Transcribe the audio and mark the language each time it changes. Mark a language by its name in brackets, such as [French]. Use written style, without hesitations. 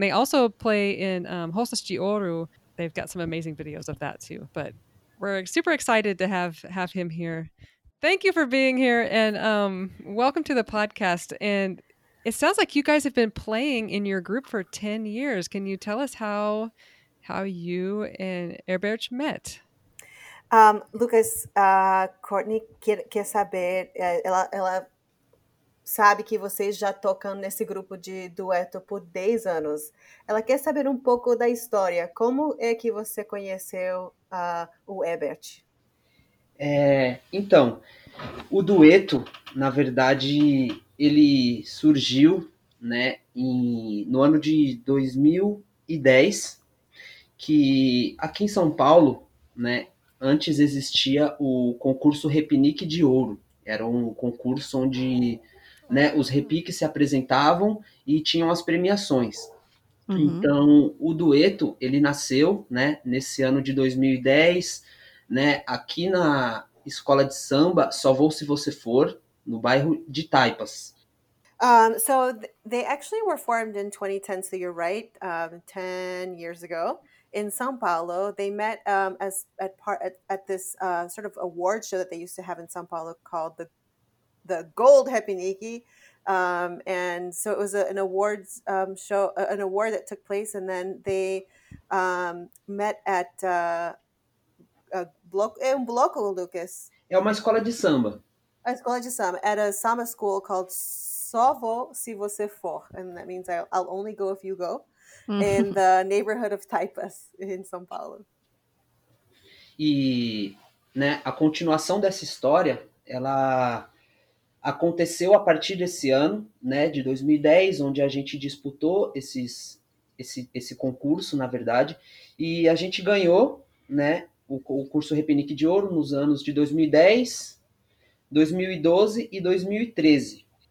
[English] They also play in Rosas DuettO. They've got some amazing videos of that too, but we're super excited to have him here. Thank you for being here, and welcome to the podcast. And it sounds like you guys have been playing in your group for 10 years. Can you tell us how you and Herbert met? [Portuguese] Lucas, Courtney quer saber, ela sabe que vocês já tocam nesse grupo de dueto por 10 anos. Ela quer saber um pouco da história. Como é que você conheceu o Ebert? Então, o dueto, na verdade, ele surgiu, né, no ano de 2010, que aqui em São Paulo, né, antes existia o concurso Repinique de Ouro. Era um concurso onde, né, os repiques se apresentavam e tinham as premiações. Uhum. Então, o dueto, ele nasceu, né, nesse ano de 2010, né, aqui na escola de samba Só Vou Se Você For, no bairro de Taipas. [English] So they actually were formed in 2010, so you're right, 10 years ago. In São Paulo, they met at this sort of award show that they used to have in São Paulo called the Gold Repinique. And so it was an awards show, an award that took place, and then they met at a bloco, Lucas. [Portuguese] É uma escola de samba. A escola de samba, [English] at a samba school called Só Vou Se Você For, and that means I'll only go if you go. In the neighborhood of Taipas, in São Paulo. [Portuguese] E, né, a continuação dessa história, ela aconteceu a partir desse ano, né, de 2010, onde a gente disputou esse concurso, na verdade, e a gente ganhou, né, o curso Repinique de Ouro nos anos de 2010, 2012 e 2013.